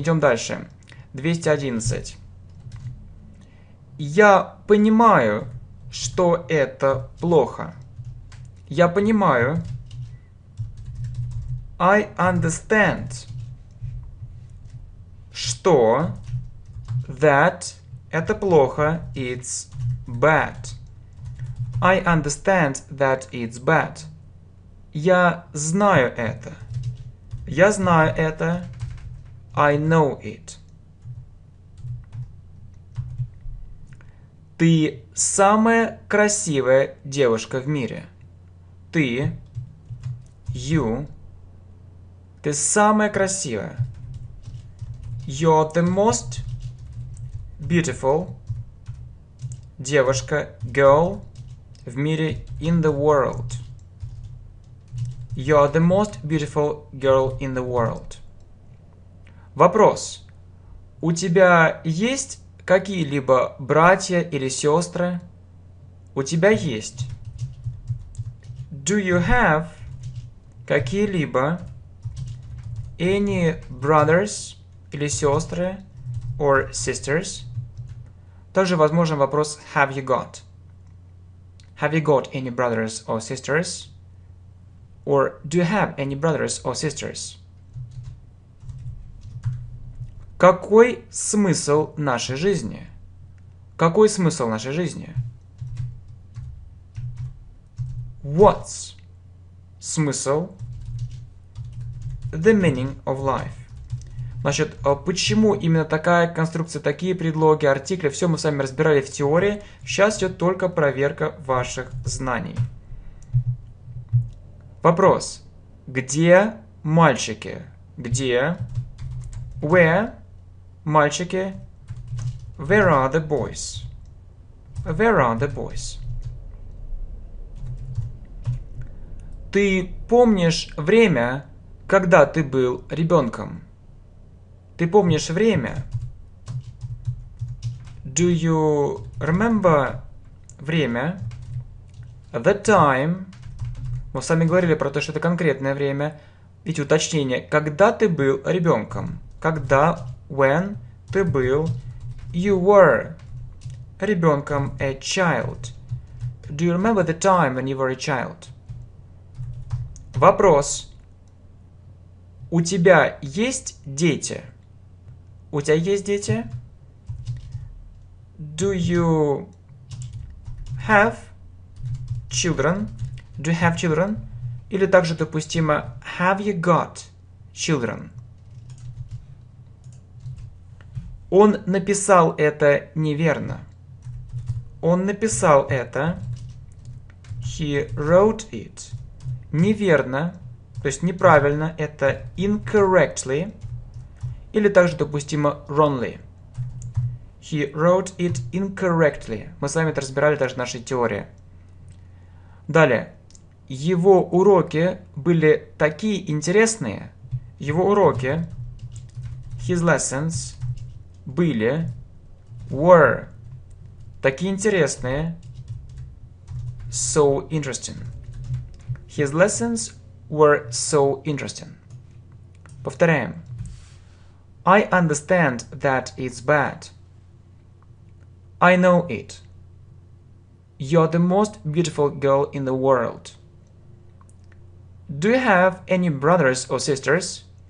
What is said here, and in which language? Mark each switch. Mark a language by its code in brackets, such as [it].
[ru] Идем дальше. 211. Я понимаю, что это плохо. Я понимаю. [en] I understand. [ru] Что that это плохо, [en] it's bad. I understand that it's bad. [ru] Я знаю это. Я знаю это. [en] I know it. [ru] Ты самая красивая девушка в мире. Ты, you, ты самая красивая. [en] You're the most beautiful [ru] девушка, [en] girl, [ru] в мире, [en] in the world. You're the most beautiful girl in the world. [ru] Вопрос. У тебя есть какие-либо братья или сестры? У тебя есть? [en] Do you have [ru] какие-либо [en] any brothers [ru] или сестры [en] or sisters? [ru] Также возможен вопрос [en] have you got? Have you got any brothers or sisters? Or do you have any brothers or sisters? [ru] Какой смысл нашей жизни? Какой смысл нашей жизни? [en] What's смысл? The meaning of life. [ru] Значит, почему именно такая конструкция, такие предлоги, артикли, все мы с вами разбирали в теории. Сейчас идет только проверка ваших знаний. Вопрос. Где мальчики? Где? Where? [en] Мальчики, where are the boys? Where are the boys? [ru] Ты помнишь время, когда ты был ребенком? Ты помнишь время? [en] Do you remember время? The time. [ru] Мы с вами говорили про то, что это конкретное время. Ведь уточнение, когда ты был ребенком? Когда, when? Ты был, [en] you were, [ru] ребенком, [en] a child. Do you remember the time when you were a child? [ru] Вопрос. У тебя есть дети? У тебя есть дети? [en] Do you have children? Do you have children? [ru] Или также допустимо, [en] have you got children? [ru] Он написал это неверно. Он написал это. He wrote it. Неверно. То есть неправильно. Это incorrectly. Или также, допустимо, wrongly. [en] He wrote it incorrectly. [ru] Мы с вами это разбирали даже в нашей теории. Далее. Его уроки были такие интересные. Его уроки. [en] His lessons. [ru] Были, were, такие интересные, [en] so interesting. His lessons were so interesting. [ru] Повторяем. [en] I understand that it's bad. I know it. You're the most beautiful girl in the world. Do you have any brothers or sisters?